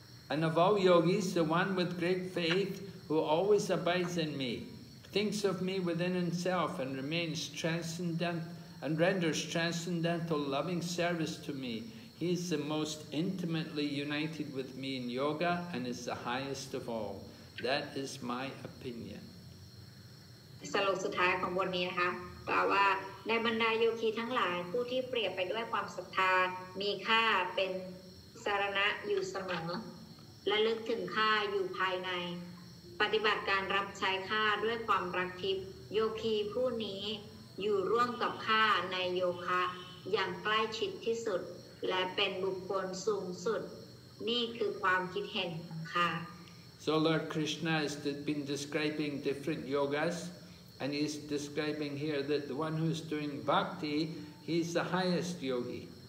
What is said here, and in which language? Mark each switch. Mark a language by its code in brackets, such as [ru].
[en] And of all yogis, the one with great faith who always abides in me, thinks of me within himself and remains transcendent and renders transcendental loving service to me. He is the most intimately united with me in yoga and is the highest of all. That is my opinion. [th] สรุปสุดท้ายของบทนี้นะคะกล่าวว่าในบรรดาโยคีทั้งหลายผู้ที่เปรียบไปด้วยความศรัทธามีค่าเป็นสรณะอยู่เสมอและลึกถึงข้าอยู่ภายในปฏิบัติการรับใช้ข้าด้วยความรักทิพย์โยคีผู้นี้อยู่ร่วมกับข้าในโยคะอย่างใกล้ชิดที่สุดและเป็นบุคคลสูงสุดนี่คือความคิดเห็นของข้า [en] So Lord Krishna has been describing different yogas. And he's describing here that the one who's doing bhakti, he's the highest yogi.